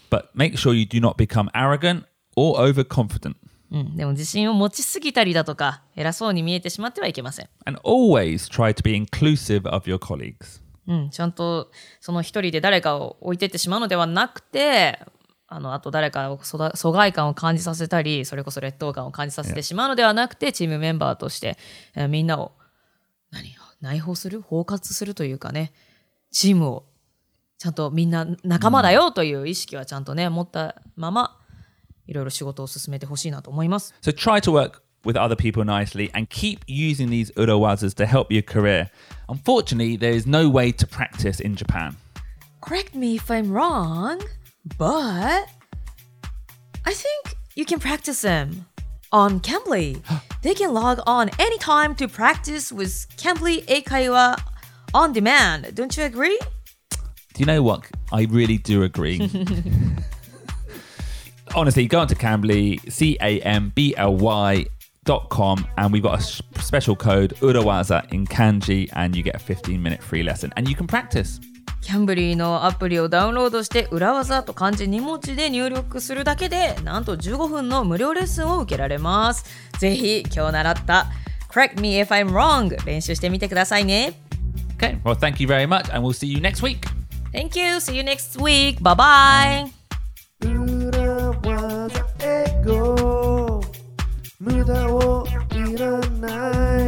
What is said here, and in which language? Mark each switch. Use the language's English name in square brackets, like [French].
[English] But make sure you do not become arrogant or overconfident. [Japanese] でも自信を持ちすぎたりだとか、偉そうに見えてしまってはいけません。 [English] And always try to be inclusive of your colleagues. [Japanese] ちゃんとその一人で誰かを置いてってしまうのではなくて、あと誰かを疎外感を感じさせたり、それこそ劣等感を感じさせてしまうのではなくて、チームメンバーとして、みんなを何内包する、包括するというかね、チームをちゃんとみんな仲間だよという意識はちゃんとね、持ったまま、いろいろ仕事を進めてほしいなと思います。 [English] So try to work with other people nicely and keep using these urowazas to help your career. Unfortunately, there is no way to practice in Japan. Correct me if I'm wrong. But I think you can practice them on Cambly. They can log on anytime to practice with Cambly Eikaiwa on demand. Don't you agree? Do you know what? I really do agree. Honestly, go on to Cambly, CAMBLY.com, and we've got a special code, Urowaza, in kanji, and you get a 15-minute free lesson, and you can practice. [Japanese] Cambly のアプリをダウンロードして裏技と漢字2文字で入力するだけでなんと15分の無料レッスンを受けられます。ぜひ今日習った [English] Correct me if I'm wrong [Japanese] 練習してみてくださいね。 [English] Okay, well thank you very much and we'll see you next week. Thank you, see you next week. Bye bye. [Japanese] 裏技エゴ無駄をいらない